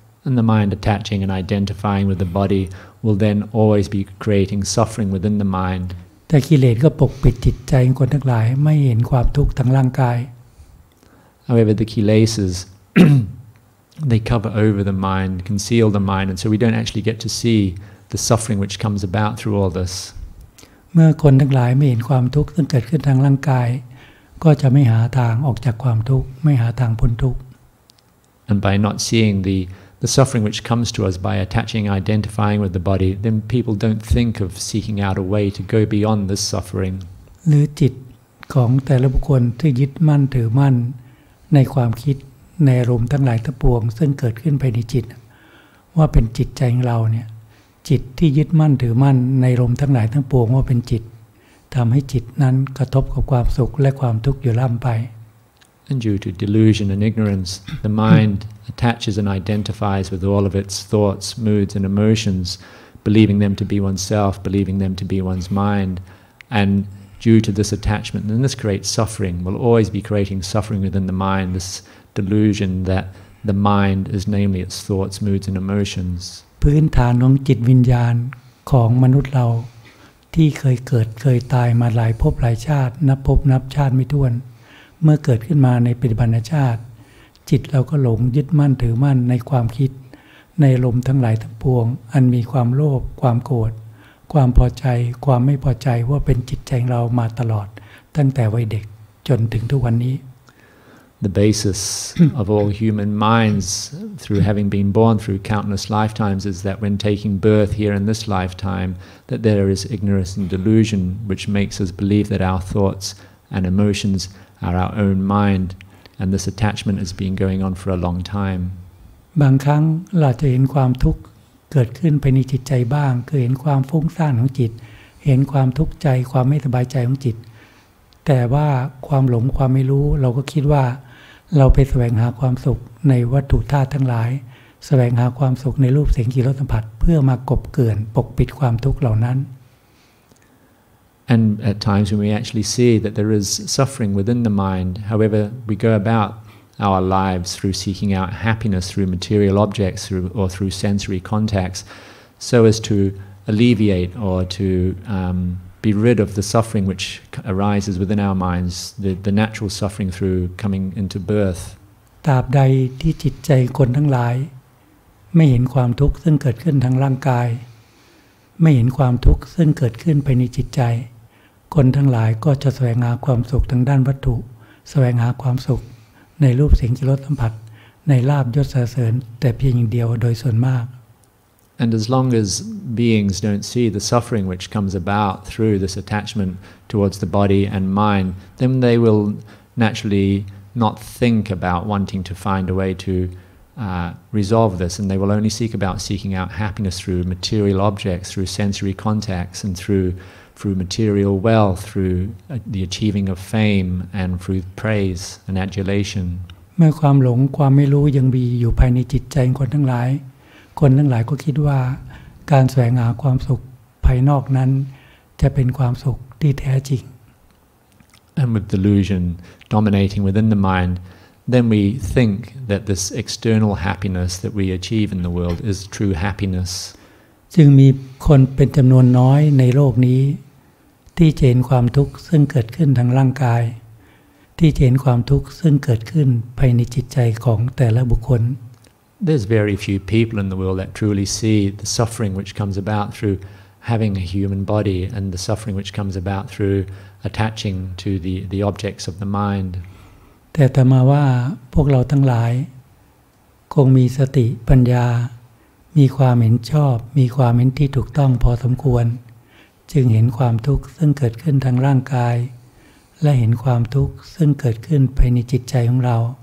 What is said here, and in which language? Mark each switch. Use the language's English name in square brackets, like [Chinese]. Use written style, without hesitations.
[English] And the mind attaching and identifying with the body will then always be creating suffering within the mind. [Thai] แต่กิเลสก็ปกปิดจิตใจของคนทั้งหลายไม่เห็นความทุกข์ทั้งร่างกาย [English] However, the kilesas they cover over the mind, conceal the mind, and so we don't actually get to see the suffering which comes about through all this. [Thai] เมื่อคนทั้งหลายไม่เห็นความทุกข์ที่เกิดขึ้นทางร่างกายก็จะไม่หาทางออกจากความทุกข์ไม่หาทางพ้นทุกข์ [English] And by not seeing the suffering which comes to us by attaching, identifying with the body, then people don't think of seeking out a way to go beyond this suffering. [Thai] หรือจิตของแต่ละบุคคลที่ยึดมั่นถือมั่นในความคิดในอารมณ์ทั้งหลายทั้งปวงซึ่งเกิดขึ้นภายในจิตว่าเป็นจิตใจของเราเนี่ยจิตที่ยึดมั่นถือมั่นในอารมณ์ทั้งหลายทั้งปวงว่าเป็นจิตทำให้จิตนั้นกระทบกับความสุขและความทุกข์อยู่ล่ำไป [English] And due to delusion and ignorance the mind attaches and identifies with all of its thoughts moods and emotions believing them to be oneself believing them to be one's mind andDue to this attachment, then this creates suffering. Will always be creating suffering within the mind. This delusion that the mind is namely its thoughts, moods, and emotions. [Thai] พื้นฐานของจิตวิญญาณของมนุษย์เราที่เคยเกิดเคยตายมาหลายภพหลายชาตินับภพนับชาติไม่ถ้วนเมื่อเกิดขึ้นมาในปัจจุบันชาติจิตเราก็หลงยึดมั่นถือมั่นในความคิดในอารมณ์ทั้งหลายทั้งปวงอันมีความโลภความโกรธความพอใจความไม่พอใจว่าเป็นจิตใจเรามาตลอดตั้งแต่วัยเด็กจนถึงทุกวันนี้ [English] The basis of all human minds through having been born through countless lifetimes is that when taking birth here in this lifetime that there is ignorance and delusion which makes us believe that our thoughts and emotions are our own mind and this attachment has been going on for a long time [Thai] บางครั้งเราจะเห็นความทุกข์เกิดขึ้นภายในจิตใจบ้างคือเห็นความฟุ้งซ่านของจิตเห็นความทุกข์ใจความไม่สบายใจของจิตแต่ว่าความหลงความไม่รู้เราก็คิดว่าเราไปแสวงหาความสุขในวัตถุธาตุทั้งหลายแสวงหาความสุขในรูปเสียงกลิ่นรสสัมผัสเพื่อมากบเกินปกปิดความทุกข์เหล่านั้น [English] And at times when we actually see that there is suffering within the mind however we go aboutour lives through seeking out happiness through material objects or through sensory contacts so as to alleviate or to be rid of the suffering which arises within our minds the natural suffering through coming into birth [Thai] ตราบใดที่จิตใจคนทั้งหลายไม่เห็นความทุกข์ซึ่งเกิดขึ้นทางร่างกายไม่เห็นความทุกข์ซึ่งเกิดขึ้นภายในจิตใจคนทั้งหลายก็จะแสวงหาความสุขทางด้านวัตถุแสวงหาความสุขในรูปเสียงกลิ่นรสสัมผัสในลาภยศเสริญแต่เพียงอย่างเดียวโดยส่วนมาก [English] And as long as beings don't see the suffering which comes about through this attachment towards the body and mind then they will naturally not think about wanting to find a way to resolve this and they will only seek about seeking out happiness through material objects through sensory contacts and through material wealth, through the achieving of fame, and through praise and adulation. [Thai] เมื่อความหลงความไม่รู้ยังมีอยู่ภายในจิตใจคนทั้งหลายคนทั้งหลายก็คิดว่าการแสวงหาความสุขภายนอกนั้นจะเป็นความสุขที่แท้จริง [English] And with delusion dominating within the mind, then we think that this external happiness that we achieve in the world is true happiness. [Thai] ซึ่งมีคนเป็นจำนวนน้อยในโลกนี้ที่จะเห็นความทุกข์ซึ่งเกิดขึ้นทางร่างกายที่จะเห็นความทุกข์ซึ่งเกิดขึ้นภายในจิตใจของแต่ละบุคคล [English] There's very few people in the world that truly see the suffering which comes about through having a human body and the suffering which comes about through attaching to the objects of the mind. [Thai] แต่ถ้ามาว่าพวกเราทั้งหลายคงมีสติปัญญามีความเห็นชอบมีความเห็นที่ถูกต้องพอสมควรจึงเห็นความทุกข์ซึ่งเกิดขึ้นทางร่างกายและเห็นความทุกข์ซึ่งเกิดขึ้นภายในจิตใจของเรา